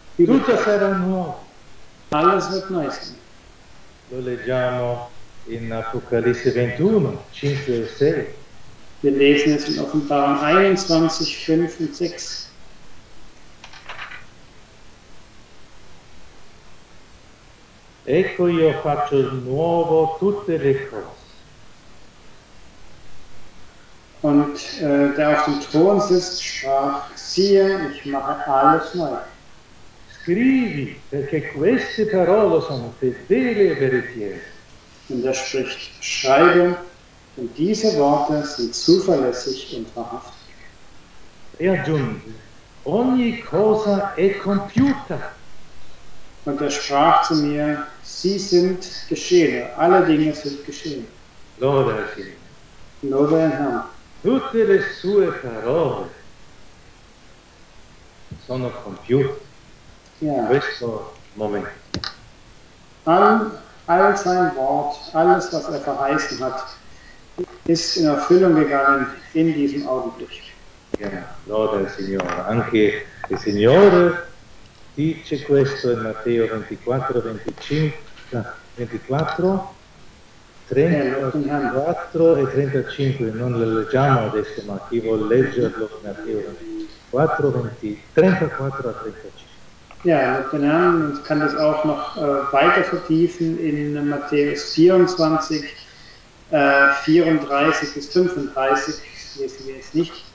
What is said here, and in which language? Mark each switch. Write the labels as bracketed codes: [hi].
[it] Tutto sarà nuovo. [de] Alles wird neu sein. [it] Lo leggiamo in Apocalisse 21, 5 e 6. [de] Wir lesen es in Offenbarung 21, 5 und 6. [it] Ecco, io faccio nuovo tutte le cose. [de] Und der auf dem Thron sitzt, sprach, siehe, ich mache alles neu. [it] Scrivi, perché queste parole sono fedeli e veritiere. [de] Und er spricht, schreibe, und diese Worte sind zuverlässig und wahrhaftig. [it] E aggiunge, ogni cosa è compiuta. [de] Und er sprach zu mir, sie sind geschehen, alle Dinge sind geschehen. [it] Lode al Signore. Lode al [de] Herr. [it] Tutte le sue parole sono compiute in questo momento. [de] All sein Wort, alles, was er verheißen hat, ist in Erfüllung gegangen in diesem Augenblick. Ja, [it] Lode al Signore. Anche il Signore dice questo in Matteo 24 e 35, non lo leggiamo adesso, ma chi vuol leggerlo in Matteo 24, 20, 34 a 35. [de] Ja, den Herrn, und kann das auch noch weiter vertiefen in Matteo 24, 34 bis 35, lesen wir es nicht.